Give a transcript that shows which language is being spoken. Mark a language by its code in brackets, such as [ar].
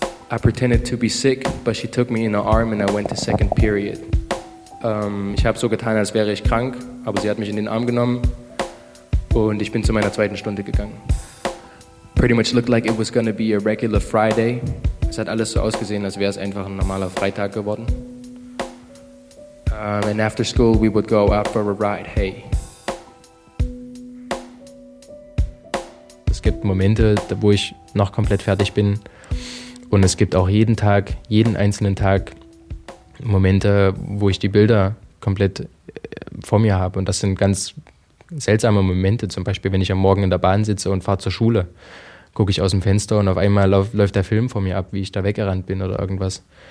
[en] I pretended to be sick, but she took me in her arm and I went to second period. [de] Ich habe so getan, als wäre ich krank, aber sie hat mich in den Arm genommen und ich bin zu meiner zweiten Stunde gegangen. [en] Pretty much looked like it was gonna be a regular Friday. [de] Es hat alles so ausgesehen, als wäre es einfach ein normaler Freitag geworden. [en] And after school we would go out for a ride, hey. [de] Es gibt Momente, wo ich noch komplett fertig bin. Und es gibt auch jeden Tag, jeden einzelnen Tag Momente, wo ich die Bilder komplett vor mir habe. Und das sind ganz seltsame Momente. Zum Beispiel, wenn ich am Morgen in der Bahn sitze und fahre zur Schule, gucke ich aus dem Fenster und auf einmal läuft der Film vor mir ab, wie ich da weggerannt bin oder irgendwas.